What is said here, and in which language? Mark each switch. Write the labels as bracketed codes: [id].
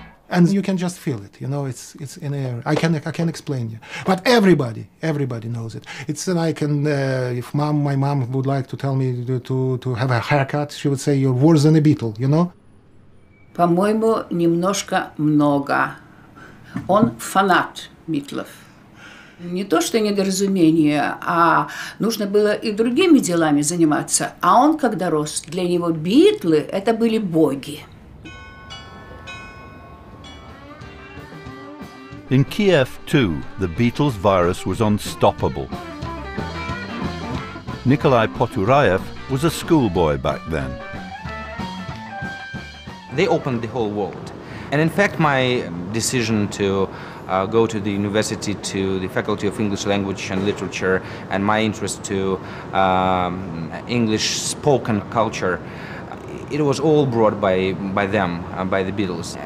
[en] And you can just feel it, you know, it's in the air. I can explain you. But everybody knows it. It's like, and if my mom would like to tell me to have a haircut, she would say, you're worse than a beetle, you know? [ru] По-моему, немножко много. Он фанат Битлов. Не то, что недоразумение, а нужно было и другими делами заниматься. А он, когда рос, для него Битлы – это были боги. [en] In Kiev, too, the Beatles virus was unstoppable. Nikolai Poturaev was a schoolboy back then. They opened the whole world. And in fact, my decision to go to the university, to the Faculty of English Language and Literature, and my interest to English spoken culture, it was all brought by them, by the Beatles.